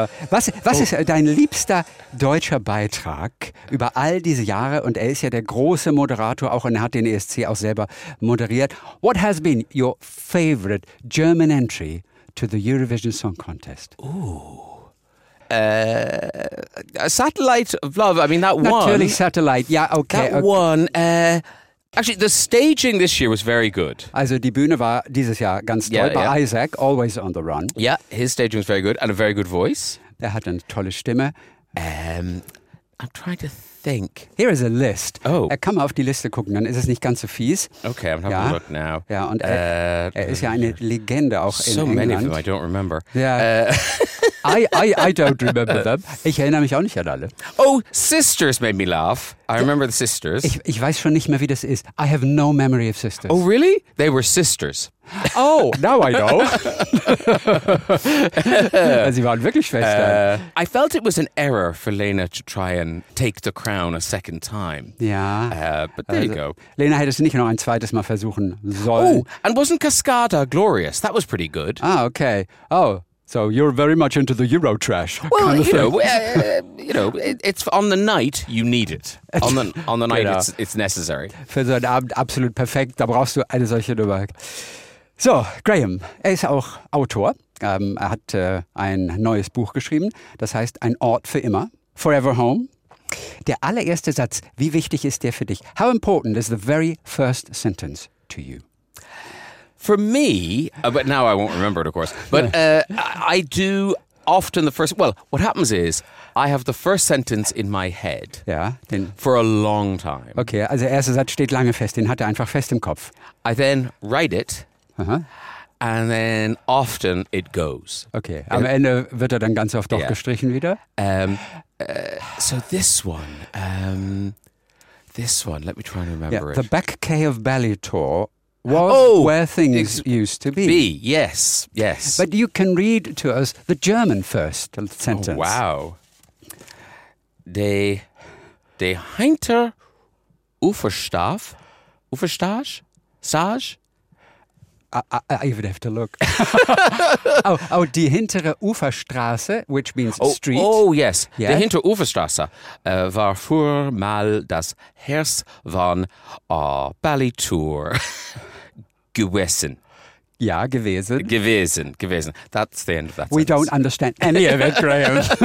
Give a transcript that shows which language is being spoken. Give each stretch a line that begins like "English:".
German: Was ist dein liebster deutscher Beitrag über all diese Jahre? Und er ist ja der große Moderator auch und hat den ESC auch selber moderiert.
English: What has been your favorite German entry to the Eurovision Song Contest? A Satellite of Love. I mean, that
German: one. Natürlich Satellite. Ja, okay.
English: Actually, the staging this year was very good.
German: Also, die Bühne war dieses Jahr ganz toll.
English: Yeah, yeah. Isaac, always on the run. Yeah, his staging was very good and a very good voice.
German: Er hat eine tolle Stimme.
English: I'm trying to think. Here is a list. Oh.
German: Kann man auf die Liste gucken, dann ist es nicht ganz so fies.
English: Okay, I'm having a look now.
German: Ja, und er ist ja eine Legende auch in so England.
English: So many of them, I don't remember. Yeah. I don't remember them.
German: Ich erinnere mich auch nicht an alle.
English: Oh, Sisters made me laugh. I remember the Sisters.
German: Ich weiß schon nicht mehr, wie das ist.
English: I have no memory of Sisters. Oh, really? They were Sisters. Oh, now I know.
German: Sie waren wirklich Schwestern.
English: I felt it was an error for Lena to try and take the crown a second time. Yeah. But there you go.
German: Lena hätte es nicht noch ein zweites Mal versuchen sollen.
English: Oh, and wasn't Cascada glorious? That was pretty good. Ah, okay. Oh, so you're very much into the Euro trash. Well, kind of it's on the night you need it. On the night it's necessary.
German: Für so einen Abend absolut perfekt, da brauchst du eine solche Nummer. So, Graham, er ist auch Autor. Er hat ein neues Buch geschrieben, das heißt Ein Ort für immer, Forever Home. Der allererste Satz, wie wichtig ist der für dich?
English: How important is the very first sentence to you? For me, but now I won't remember it, of course, but I do often the first... Well, what happens is I have the first sentence in my head for a long time. Okay, also der erste Satz steht lange fest, den hat er einfach fest im Kopf. I then write it, and then often it goes. Okay, am Ende wird er dann ganz oft auch gestrichen wieder. So this one, let me try and remember it. The back quay of Ballytor was where things used to be. Yes. But you can read to us the German first sentence.
German: Oh, wow. De hinter Uferstaff, Uferstage, Sage?
English: I even have to look.
German: die hintere Uferstraße,
English: which means street. Oh, yes. Yet.
German: Die hintere Uferstraße war früher mal das Herz von Ballytour. Gewissen. Ja, gewesen. Gewesen, gewesen.
English: That's the end of that sentence. We don't understand any of it, Graham.